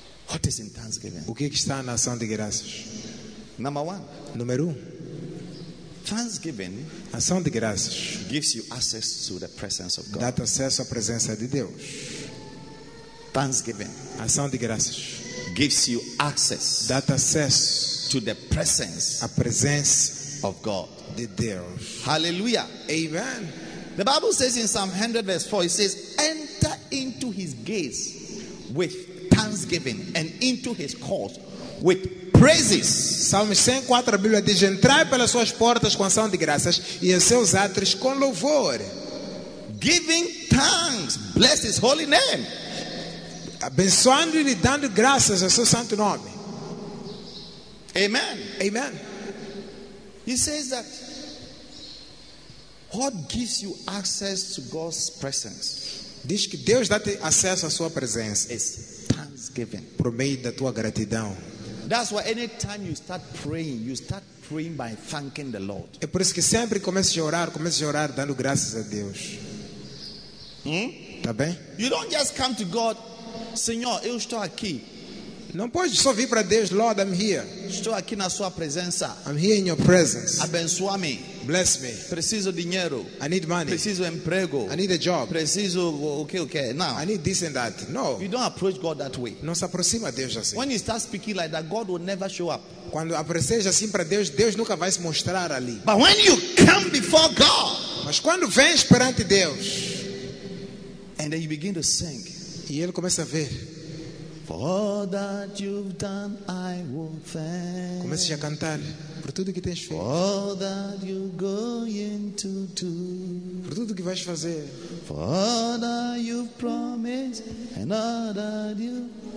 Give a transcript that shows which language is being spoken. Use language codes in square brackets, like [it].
[en] What is in thanksgiving? [pt] O que é que está na ação de graças? [en] Number one. [pt] Número um. [en] Thanksgiving. [pt] Ação de graças. [en] Gives you access to the presence of God. [pt] Dá-te acesso à presença de Deus. [en] Thanksgiving. [pt] Ação de graças. [en] Gives you access. [pt] Dá-te acesso [en] to the presence. [pt] À presença [en] of God. [pt] De Deus. [en] Hallelujah. [pt] Amen. [en] The Bible says in Psalm 100 verse 4, it says, enter into his gates with thanksgiving and into his courts with praises. [pt] Salmo 104, a Bíblia diz, entrai pelas suas portas com ação de graças e em seus átrios com louvor. [en] Giving thanks, bless his holy name. [pt] Abençoando e dando graças ao seu santo nome. Amen. Amen. [en] He says that what gives you access to God's presence? [pt] Diz que Deus dá-te acesso à sua presença. [en] Is thanksgiving. [pt] Por meio da tua gratidão. [en] That's why any time you start praying by thanking the Lord. [pt] É por isso que sempre começas a orar dando graças a Deus. Tá bem? [en] You don't just come to God, [pt] Senhor, eu estou aqui. Não pode só vir para Deus, [en] Lord, I'm here. [pt] Estou aqui na sua presença. [en] I'm here in your presence. [pt] Abençoa-me. [en] Bless me. [pt] Preciso dinheiro. [en] I need money. [pt] Preciso emprego. [en] I need a job. [pt] Preciso [en] okay. Now. I need this and that. No. You don't approach God that way. [pt] Não se aproxima a Deus assim. [en] When you start speaking like that, God will never show up. [pt] Quando apareces assim para Deus, Deus nunca vai se mostrar ali. [en] But when you come before God, [pt] mas quando vens perante Deus, [en] and then you begin to sing, [pt] e ele começa a ver. [en] For that you've done, I will thank. [pt] Comece a cantar por tudo que tens feito. [en] For that you're going to do. [pt] Por tudo que vais fazer. [en] For that you've promised and all that you.